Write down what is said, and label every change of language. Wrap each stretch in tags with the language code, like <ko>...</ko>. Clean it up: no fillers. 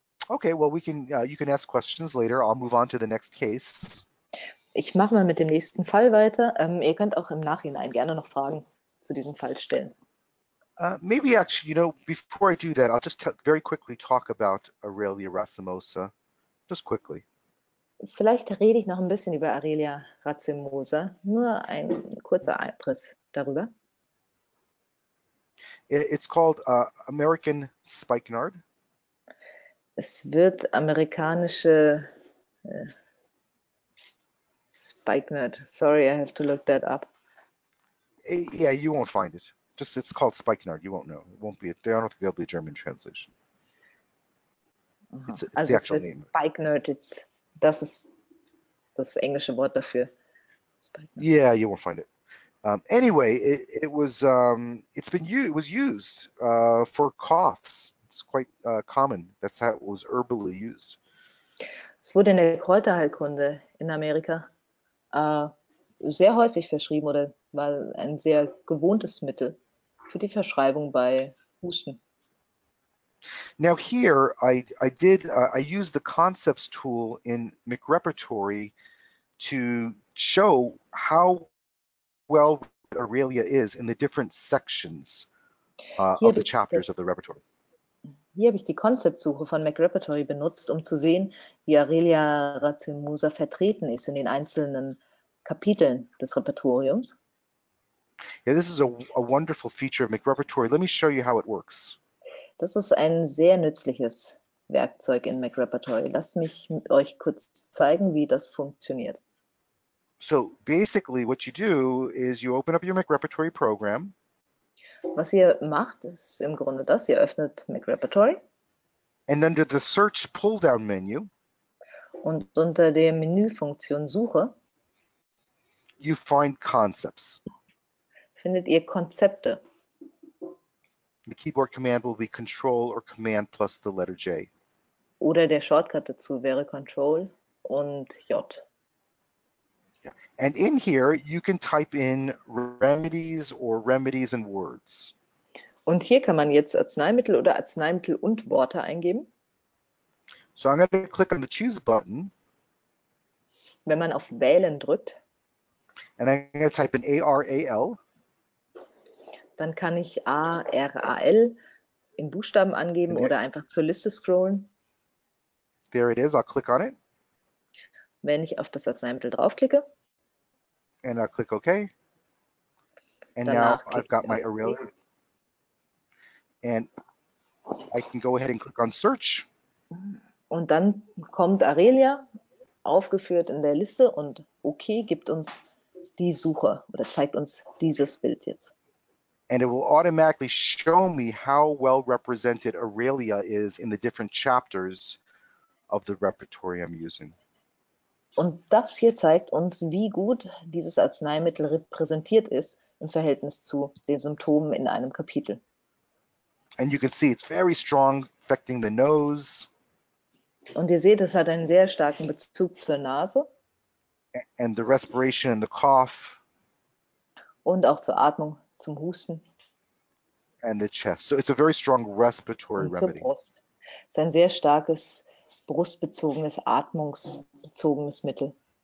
<en>Okay, well, we can you can ask questions later. I'll move on to the next case.</en> <de>Ich mache mal mit dem nächsten Fall weiter. Ihr könnt auch im Nachhinein gerne noch Fragen zu diesem Fall stellen.</de> <en>Maybe actually, you know, before I do that, I'll just very quickly talk about Aurelia racemosa, just quickly.</en> <de>Vielleicht rede ich noch ein bisschen über Aurelia racemosa. Nur ein kurzer Abriss darüber.</de> <en>It's called American spikenard.</en> <de>Es wird amerikanische spikenard.</de> <en>Sorry, I have to look that up. Yeah, you won't find it. Just it's called spikenard. You won't know. It won't be. I don't think there'll be a German translation. It's also the actual</en> <de>es wird name. Spikenard.</de> <en>It's</en> <de>das ist das englische Wort dafür.</de> <en>Spikenard. Yeah, you won't find it. Anyway, it was used for coughs. It's quite common. That's how it was herbally used.</en> <de>Es wurde in der Kräuterheilkunde in Amerika sehr häufig verschrieben oder war ein sehr gewohntes Mittel für die Verschreibung bei Husten.</de> <en>Now here I used the concepts tool in McRepertory to show how well Aurelia is in the different sections of the chapters of the repertory.</en> <de>Hier habe ich die Konzeptsuche von McRepertory benutzt, um zu sehen, wie Aurelia racemosa vertreten ist in den einzelnen Kapiteln des Repertoriums.</de> <en>Yeah, this is a wonderful feature of McRepertory. Let me show you how it works.</en> <de>Das ist ein sehr nützliches Werkzeug in McRepertory. Lass mich euch kurz zeigen, wie das funktioniert.</de> <en>So basically what you do is you open up your McRepertory program.</en> <de>Was ihr macht, ist im Grunde das. Ihr öffnet McRepertory.</de> <en>And under the search pull-down menu.</en> <de>Und unter der Menüfunktion Suche.</de> <en>You find concepts.</en> <de>Findet ihr Konzepte.</de> <en>The keyboard command will be Control or Command plus the letter J.</en> <de>Oder der Shortcut dazu wäre Control und J.</de> <en>Yeah. And in here, you can type in remedies or remedies and words.</en> <de>Und hier kann man jetzt Arzneimittel oder Arzneimittel und Worte eingeben.</de> <en>So I'm going to click on the choose button.</en> <de>Wenn man auf Wählen drückt.</de> <en>And I'm going to type in A-R-A-L.</en> <de>Dann kann ich A-R-A-L in Buchstaben angeben oder einfach zur Liste scrollen.</de> <en>There it is. I'll click on it.</en> <de>Wenn ich auf das Arzneimittel draufklicke.</de> <en>And I'll click OK. And now I've got my Aurelia. And I can go ahead and click on search.</en> <de>Und dann kommt Aurelia aufgeführt in der Liste und OK gibt uns die Suche oder zeigt uns dieses Bild jetzt.</de> <en>And it will automatically show me how well represented Aurelia is in the different chapters of the repertory I'm using.</en> <de>Und das hier zeigt uns, wie gut dieses Arzneimittel repräsentiert ist im Verhältnis zu den Symptomen in einem Kapitel.</de> <en>And you can see it's very strong, affecting the nose.</en> <de>Und ihr seht, es hat einen sehr starken Bezug zur Nase</de> <en>And the respiration and the cough.</en> <de>und auch zur Atmung, zum Husten</de> <en>And the chest. So it's a very strong respiratory</en> <de>und zur</de> <en>remedy.</en> <de>Brust. Es ist ein sehr starkes brustbezogenes, atmungsbezogenes Mittel.</de>